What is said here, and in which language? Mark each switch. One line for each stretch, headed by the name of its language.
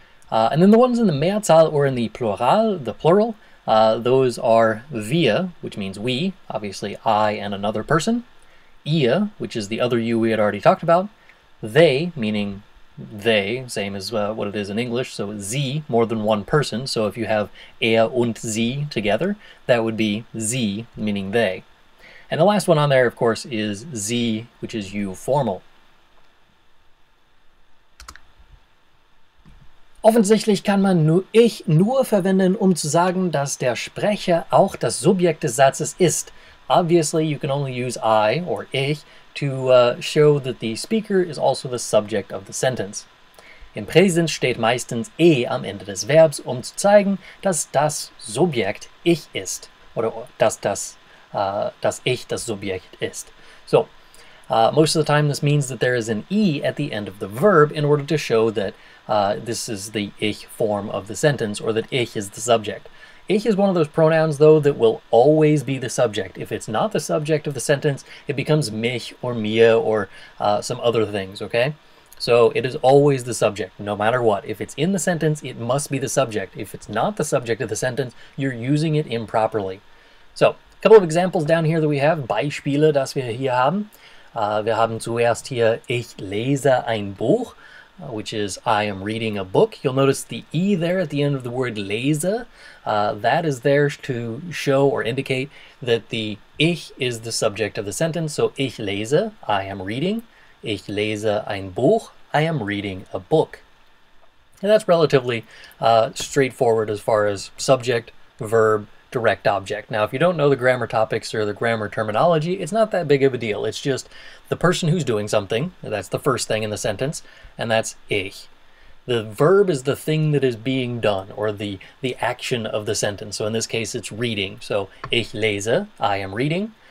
English: And then the ones in the Mehrzahl or in the Plural, those are wir, which means we, obviously I and another person, ihr, which is the other you we had already talked about, they, meaning they, same as what it is in English, so sie, more than one person, so if you have er und sie together, that would be sie, meaning they. And the last one on there, of course, is sie, which is you formal.
German: Offensichtlich kann man ich nur verwenden, um zu sagen, dass der Sprecher auch das Subjekt des Satzes ist.
English: Obviously, you can only use I, or ich, to show that the speaker is also the subject of the sentence.
German: Im Präsens steht meistens e am Ende des Verbs, um zu zeigen, dass das Subjekt ich ist, oder dass dass ich das Subjekt ist.
English: So, most of the time this means that there is an e at the end of the verb in order to show that this is the ich form of the sentence, or that ich is the subject. Ich is one of those pronouns, though, that will always be the subject. If it's not the subject of the sentence, it becomes mich or mir or some other things, okay? So it is always the subject, no matter what. If it's in the sentence, it must be the subject. If it's not the subject of the sentence, you're using it improperly. So, a couple of examples down here that we have,
German: Beispiele, das wir hier haben. Wir haben zuerst hier, ich lese ein Buch.
English: Which is, I am reading a book. You'll notice the E there at the end of the word lese. That is there to show or indicate that the ich is the subject of the sentence. So
German: ich lese,
English: I am reading.
German: Ich lese ein Buch,
English: I am reading a book. And that's relatively straightforward as far as subject, verb, direct object. Now, if you don't know the grammar topics or the grammar terminology, it's not that big of a deal. It's just the person who's doing something, that's the first thing in the sentence, and that's ich. The verb is the thing that is being done, or the action of the sentence. So in this case, it's reading. So
German: ich lese,
English: I am reading.